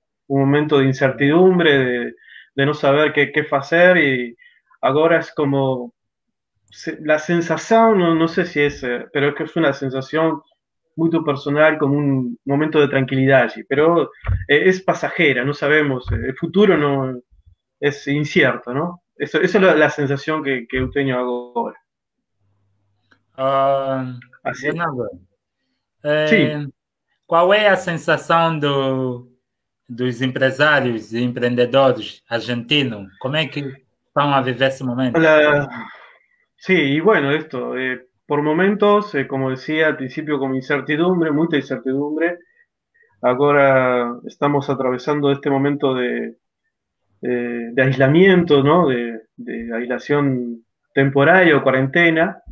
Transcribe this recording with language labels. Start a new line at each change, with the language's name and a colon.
Spanish: Un momento de incertidumbre, de no saber qué hacer, y ahora es como la sensación, no sé si es, pero es que es una sensación muy personal, como un momento de tranquilidad allí. Pero es pasajera, no sabemos, el futuro no es incierto, ¿no? Eso es la sensación que tengo ahora. Así. Leonardo, Sí.
Portuguese: qual é a sensação dos empresários e empreendedores argentinos? Como é que estão a viver esse momento?
Spanish: Sí, y bueno, esto, por momentos, como decía al principio, con incertidumbre, mucha incertidumbre. Ahora estamos atravesando este momento de aislamiento, ¿no? De aislación temporal o cuarentena.